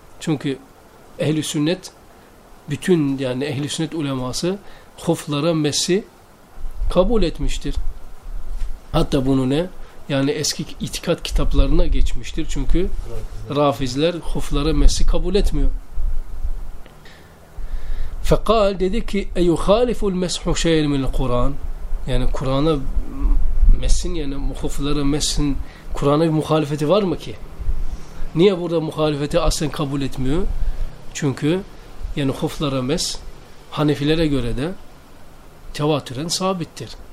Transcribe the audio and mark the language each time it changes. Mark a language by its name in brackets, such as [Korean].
[Turkish] Çünkü ehl-i sünnet, bütün yani ehl-i sünnet uleması huflara mesi kabul etmiştir. Hatta bunu ne? Yani eski itikat kitaplarına geçmiştir. Çünkü rafizler huflara mesi kabul etmiyor. [Arabic] Fekal [Turkish] dedi ki [Arabic] اَيُخَالِفُ الْمَسْحُ شَيْرٍ مِنْ الْقُرَانِ. [Turkish] Yani Kur'an'a mesin, yani huflara mesin Kur'an'a bir muhalefeti var mı ki? Niye burada muhalefeti aslen kabul etmiyor? Çünkü yani huflara mes Hanefilere göre de tevatüren sabittir.